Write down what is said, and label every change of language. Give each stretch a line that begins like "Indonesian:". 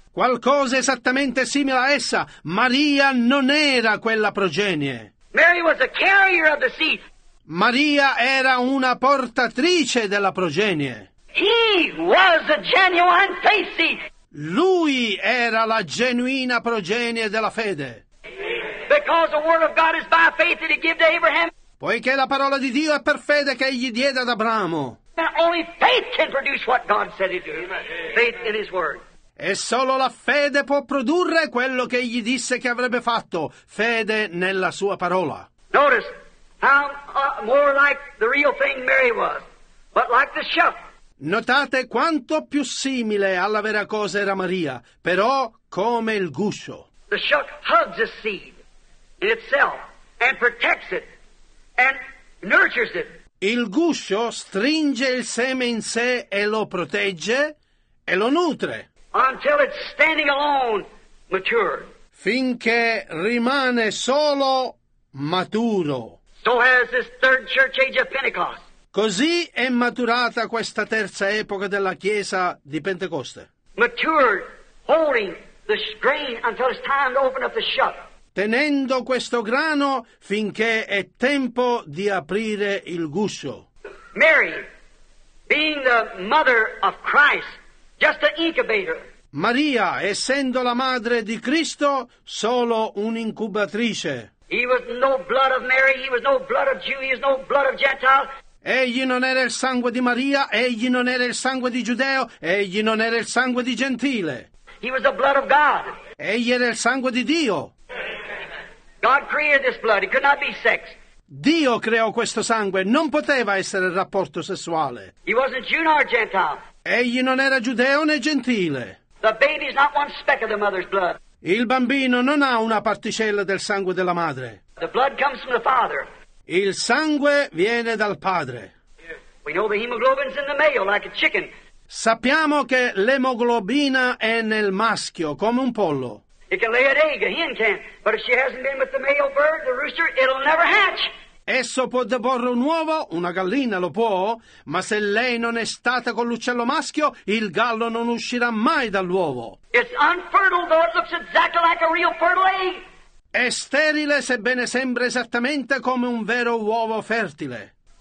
Italian: Qualcosa esattamente simile a essa, Maria non era quella progenie.
English: Mary was a carrier of the seed.
Italian: Maria era una portatrice della progenie.
English: He was a genuine faith seed.
Italian: Lui era la genuina progenie della fede.
English: Because the word of God is by faith that he gave to Abraham.
Italian: Poiché la parola di Dio è per fede che egli diede ad Abramo.
English: Only faith can produce what God said it would. Faith in his word.
Italian: E solo la fede può produrre quello che egli disse che avrebbe fatto, fede nella sua parola.
English: Notice how more like the real thing Mary was, but like the shepherd.
Italian: Notate quanto più simile alla vera cosa era Maria, però come il guscio.
English: The shuck hugs a seed in itself and protects it and nurtures it.
Italian: Il guscio stringe il seme in sé e lo protegge e lo nutre.
English: Until it's standing alone, mature.
Italian: Finché rimane solo maturo.
English: So has this third church age of Pentecost.
Italian: Così è maturata questa terza epoca della Chiesa di Pentecoste.
English: Matured, holding the grain until it's time to open up the shuck.
Italian: Tenendo questo grano finché è tempo di aprire il guscio.
English: Mary, being the mother of Christ, just an incubator.
Italian: Maria, essendo la madre di Cristo, solo un'incubatrice.
English: He was no blood of Mary, he was no blood of Jew, he was no blood of Gentile.
Italian: Egli non era il sangue di Maria, egli non era il sangue di Giudeo, egli non era il sangue di Gentile.
English: He was the blood of God.
Italian: Egli era il sangue di Dio.
English: God created this blood. It could not be sex.
Italian: Dio creò questo sangue, non poteva essere il rapporto sessuale.
English: He wasn't Jew nor Gentile.
Italian: Egli non era Giudeo né Gentile.
English: The baby is not one speck of the mother's blood.
Italian: Il bambino non ha una particella del sangue della madre.
English: The blood comes from the father.
Italian: Il sangue viene dal padre.
English: We know the hemoglobin's in the male, like a chicken.
Italian: Sappiamo che l'emoglobina è nel maschio, come un pollo.
English: It can lay an egg, a hen can, but if she hasn't been with the male bird, the rooster, it'll never hatch.
Italian: Esso può deporre un uovo, una gallina lo può, ma se lei non è stata con l'uccello maschio, il gallo non uscirà mai dall'uovo.
English: It's unfertile, though it looks exactly like a real fertile egg.
Italian: È sterile sebbene sembra esattamente come un vero uovo fertile.